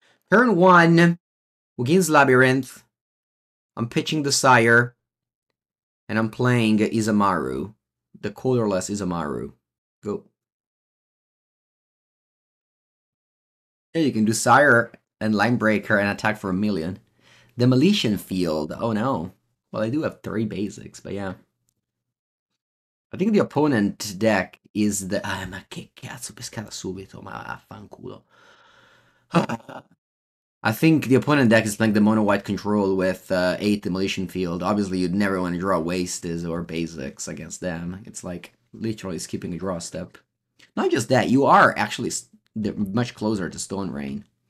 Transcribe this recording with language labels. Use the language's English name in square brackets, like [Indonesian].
[English] Turn one, Ugin's Labyrinth. I'm pitching the Sire, and I'm playing Isamaru, the colorless Isamaru. Go. Yeah, you can do Sire and Linebreaker and attack for a million. Demolition Field, oh no. Well, I do have three basics, but yeah. I think the opponent deck is the... [Italian] Ah, ma che cazzo, pescata subito, ma affanculo. [English] I think the opponent deck is playing the mono white control with 8 Demolition Field. Obviously, you'd never want to draw Wastes or Basics against them. It's like literally skipping a draw step. Not just that, you are actually much closer to Stone Rain.